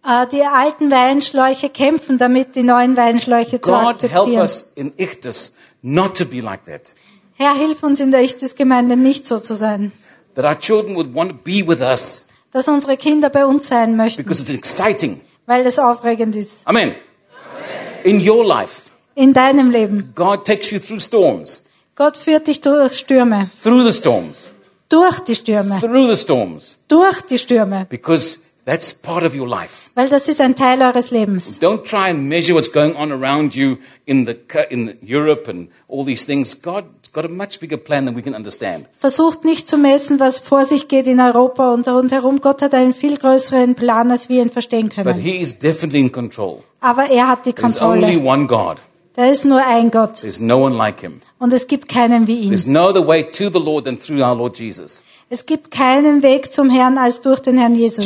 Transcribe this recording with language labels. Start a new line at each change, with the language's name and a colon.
German: Die alten Weinschläuche kämpfen damit, die neuen Weinschläuche zu
English: God
German: akzeptieren.
English: Help us in Ichtes not to be like that.
German: Herr, hilf uns in der Ichtes-Gemeinde nicht so zu sein.
English: That our children would want to be with us.
German: Dass unsere Kinder bei uns sein möchten.
English: Because it's exciting.
German: Weil es aufregend ist.
English: Amen. Amen. In your life.
German: In deinem Leben.
English: God takes you through storms.
German: Gott führt dich durch Stürme.
English: Through the storms.
German: Durch die Stürme.
English: Through the storms.
German: Durch die Stürme.
English: Because that's part of your life.
German: Weil das ist ein Teil eures Lebens.
English: Don't try and measure what's going on around you in Europe and all these things. God's got a much bigger plan than we can understand.
German: Versucht nicht zu messen, was vor sich geht in Europa und rundherum. Gott hat einen viel größeren Plan, als wir ihn verstehen können.
English: But he is definitely in control.
German: Aber er hat die Kontrolle.
English: There's only one God.
German: Da ist nur ein Gott.
English: There's no one like him.
German: Und es gibt keinen wie ihn.
English: There's no other way to the Lord than through our Lord Jesus.
German: Es gibt keinen Weg zum Herrn als durch den Herrn Jesus.